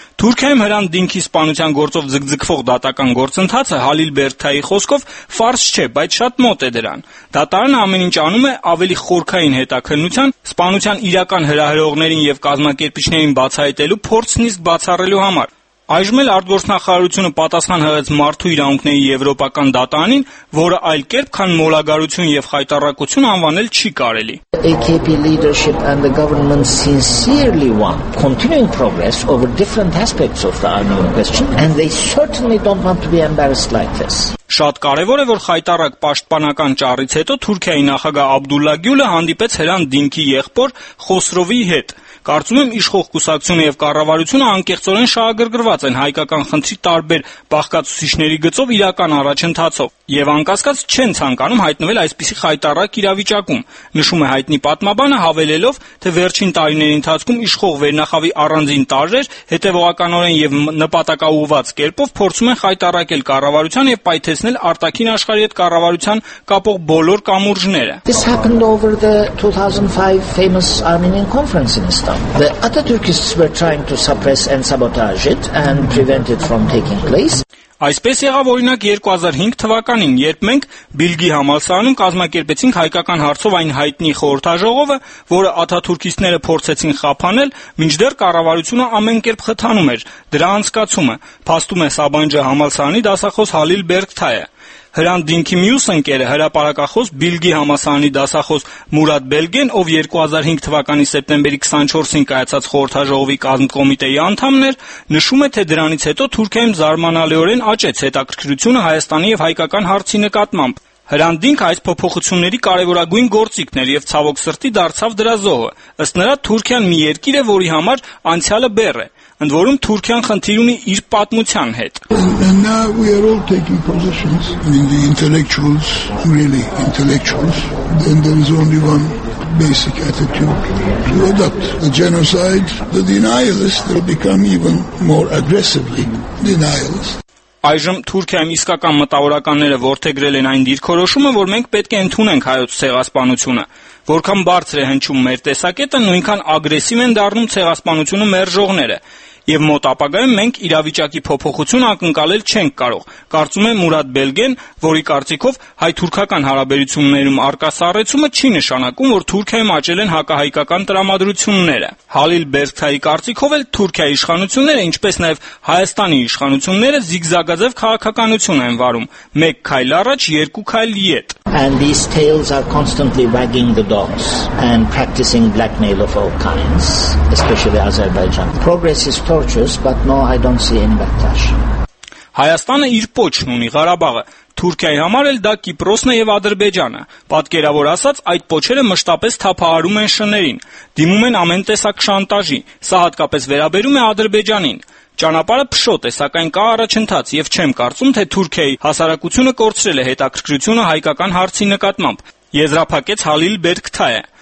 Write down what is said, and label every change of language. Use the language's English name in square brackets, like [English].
[Armenian] Թուրքիայում Հրանտ Դինքի սպանության գործով ձգձգվող դատական գործընթացը Հալիլ Բերգթայի խոսքով ֆարս չէ, բայց շատ մոտ է դրան։ Դատարանը ամեն ինչ անում է ավելի խորքային հետաքննության, սպանության իրական հրահրողներին եւ կազմակերպիչներին բացահայտելու փորձն իսկ բացառելու համար։ Այժմ էլ արտգործնախարարությունը պատասխան հղեց մարդու իրավունքների եվրոպական դատանին, որը այլ կերպ քան մոլագարություն եւ խայտառակություն անվանել չի կարելի։ [English] AKP leadership and the government sincerely want continuing progress over different aspects of the Arnavut question and they certainly don't want to be embarrassed like this. [Armenian] Շատ կարևոր է, որ խայտառակ պաշտպանական ճառից հետո Թուրքիայի նախագահ Աբդուլլա Գյուլը հանդիպեց Հրանտ Դինքի եղբոր Խոսրովի հետ։ Կարծում եմ, իշխող կուսակցությունը եւ կառավարությունը անկեղծորեն շահագրգռված են հայկական խնդրի տարբեր բաղկացուցիչների գծով իրական առաջընթացով եւ անկասկած չեն ցանկանում հայտնվել այսպիսի խայտառակ իրավիճակում, նշում է հայտնի պատմաբանը, հավելելով, թե վերջին տարիների ընթացքում իշխող վերնախավի առանձին տարրեր հետևողականորեն եւ նպատակաուղված կերպով փորձում են խայտառակել կառավարության եւ պայթեցնել արտաքին աշխարհի հետ կառավարության կապող բոլոր կամուրջները։ [English] This happened over the 2005 famous Armenian conference. The Ataturkists were trying to suppress and sabotage it and prevent it from taking place. [Armenian] Այսպես եղավ օրինակ 2005 թվականին, երբ մենք Բիլգի համալսարանում կազմակերպեցինք հայկական հարցով այն հայտնի խորհրդաժողովը, որը աթաթուրքիստները փորձեցին խափանել, մինչդեռ կառավարությունը ամենքերպ խթանում էր դրա անցկացումը, փաստում է Սաբանջի համալսարանի դասախոս Հալիլ Բերգթայը։ Հրանտ Դինքի մյուս ընկերը հրապարակախոս Բիլգի համալսարանի դասախոս Մուրադ Բելգեն, ով 2005 թվականի սեպտեմբերի 24-ին կայացած խորհրդաժողովի կազմակերպիչ անդամներ, նշում է, թե դրանից հետո Թուրքիայում զարմանալիորեն աճեց հետաքրքրությունը Հայաստանի եւ հայկական հարցի նկատմամբ։ Հրանտ Դինքը այս փոփոխությունների կարևորագույն գործիքն էր եւ ցավոք սրտի դարձավ դրա զոհը, ըստ նրա Թուրքիան մի երկիր է, որի համար անցյալը բեռ է, ընդ որում Թուրքիան խնդիր ունի իր պատմության հետ։ [English] And now we are all taking positions. I mean the intellectuals, really intellectuals, then there is only one basic attitude to adopt. The genocide, the denialists, they become even more aggressively denialists. [Armenian] Այժմ Թուրքիայում իսկական մտավորականները որդեգրել են այն դիրքորոշումը, որ մենք պետք է ընդունենք հայոց ցեղասպանությունը։ Որքան բարձր է հնչում մեր տեսակետը, նույնքան ագրեսիվ են դառնում ցեղասպանությունը մեր ժողները։ Եվ մոտ ապագայում մենք իրավիճակի փոփոխություն ակնկալել չենք կարող, կարծում է Մուրադ Բելգեն, որի կարծիքով հայ-թուրքական հարաբերություններում առկա սառեցումը չի նշանակում, որ Թուրքիայում աճել են հակահայկական տրամադրությունները։ Հալիլ Բերգթայի կարծիքով էլ Թուրքիայի իշխանությունները, ինչպես նաև Հայաստանի իշխանությունները, զիգզագաձև քաղաքականություն են վարում՝ մեկ քայլ առաջ, երկու քայլ ետ։ [English] And these tails are constantly wagging the dogs and practicing blackmail of all kinds, especially Azerbaijan. Progress is torturous, but no, I don't see any backlash. [Armenian] Հայաստանը իր պոչն ունի Ղարաբաղը, Թուրքիայի համար էլ դա Կիպրոսն է եւ Ադրբեջանը։ Պատկերավոր ասած, այդ պոչերը մշտապես թափահարում են շներին, դիմում են ամեն տեսակ շանտաժի, սա հատկապես վերաբերում է Ադրբեջանին։ Ճանապարհը փշոտ է, սակայն կա առաջընթաց, եւ չեմ կարծում, թե Թուրքիայի հասարակությունը կորցրել է հետաքրքրությունը հայկական հարցի նկատմամբ, եզրափակեց Հալիլ Բերգթայը։